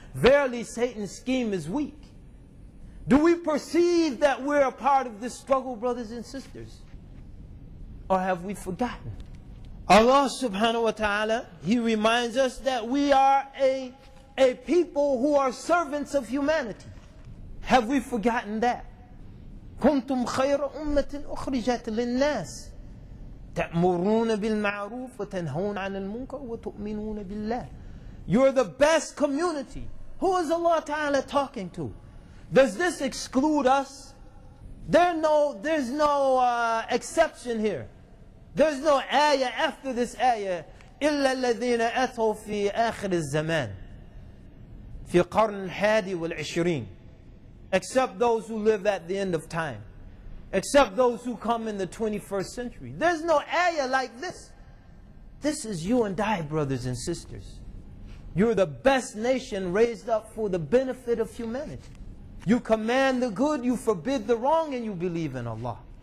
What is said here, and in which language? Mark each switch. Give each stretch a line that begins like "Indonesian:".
English: Verily Satan's scheme is weak. Do we perceive that we're a part of this struggle, brothers and sisters? Or have we forgotten? Allah subhanahu wa ta'ala, He reminds us that we are a people who are servants of humanity. Have we forgotten that?
Arabic: كنتم خير أمة أخرجت للناس تأمرون بالمعروف وتنهون عن المنكر وتؤمنون بالله.
English: You're the best community. Who is Allah Ta'ala talking to? Does this exclude us? There's no exception here. There's no ayah after this ayah.
Arabic: إلا الذين أتوا في آخر الزمان في قرن الحادي والعشرين.
English: Except those who live at the end of time. Except those who come in the 21st century. There's no ayah like this. This is you and I, brothers and sisters. You're the best nation raised up for the benefit of humanity. You command the good, you forbid the wrong, and you believe in Allah.